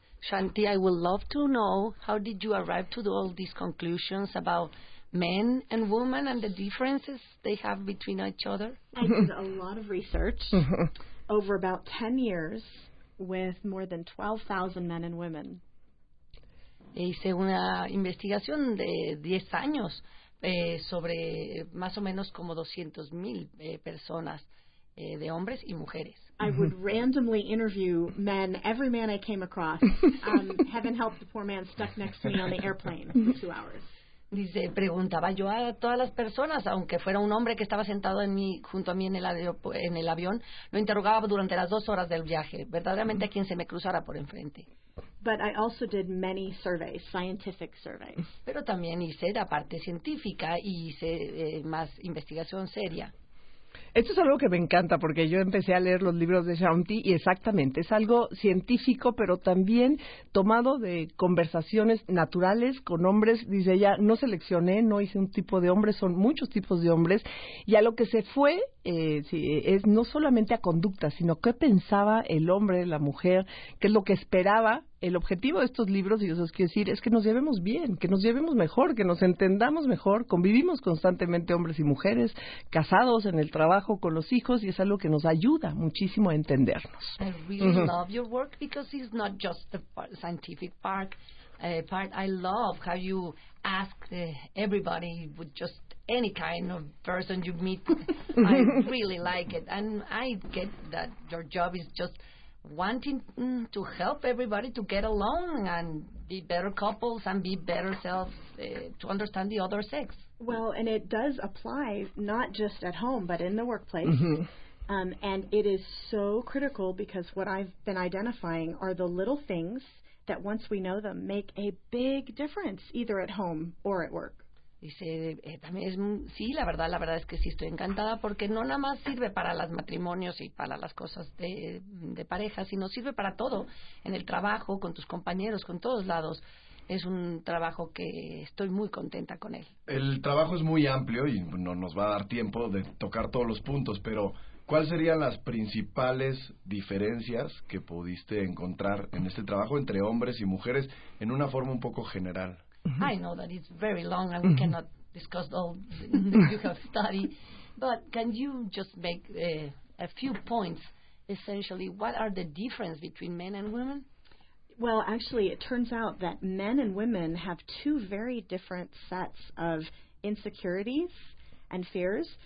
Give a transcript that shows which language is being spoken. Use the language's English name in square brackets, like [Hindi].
[English] Shaunti, I would love to know, how did you arrive to all these conclusions about men and women and the differences they have between each other? I did a lot of research over about 10 years with more than 12,000 men and women. [Spanish] Hice una investigación de 10 años sobre más o menos como 200,000 personas de hombres y mujeres. [English] I would randomly interview men, every man I came across. Heaven help the poor man stuck next to me on the airplane for 2 hours. [Spanish] Dice, preguntaba yo a todas las personas, aunque fuera un hombre que estaba sentado en mí, junto a mí en el avión, lo interrogaba durante las 2 horas del viaje, verdaderamente a quien se me cruzara por enfrente. [English] But I also did many surveys, scientific surveys. [Spanish] Pero también hice la parte científica y hice más investigación seria. Esto es algo que me encanta, porque yo empecé a leer los libros de Shaunti y exactamente, es algo científico, pero también tomado de conversaciones naturales con hombres. Dice ella, no seleccioné, no hice un tipo de hombre, son muchos tipos de hombres. Y a lo que se fue sí, es no solamente a conducta, sino qué pensaba el hombre, la mujer, qué es lo que esperaba. El objetivo de estos libros, y yo os quiero decir, es que nos llevemos bien, que nos llevemos mejor, que nos entendamos mejor. Convivimos constantemente hombres y mujeres, casados, en el trabajo, con los hijos, y es algo que nos ayuda muchísimo a entendernos. [English] I really love your work because it's not just the scientific part. I love how you ask everybody, just any kind of person you meet. I really like it. And I get that your job is just wanting to help everybody to get along and be better couples and be better selves, to understand the other sex. Well, and it does apply not just at home, but in the workplace. Mm-hmm. And it is so critical because what I've been identifying are the little things that once we know them make a big difference either at home or at work. [Spanish] Dice, también es, sí, la verdad es que sí estoy encantada porque no nada más sirve para los matrimonios y para las cosas de pareja, sino sirve para todo, en el trabajo, con tus compañeros, con todos lados. Es un trabajo que estoy muy contenta con él. El trabajo es muy amplio y no nos va a dar tiempo de tocar todos los puntos, pero ¿cuáles serían las principales diferencias que pudiste encontrar en este trabajo entre hombres y mujeres en una forma un poco general? Mm-hmm. [English] I know that it's very long and we cannot discuss all that you have studied, but can you just make a few points, essentially, what are the differences between men and women? Well, actually, it turns out that men and women have two very different sets of insecurities and fears.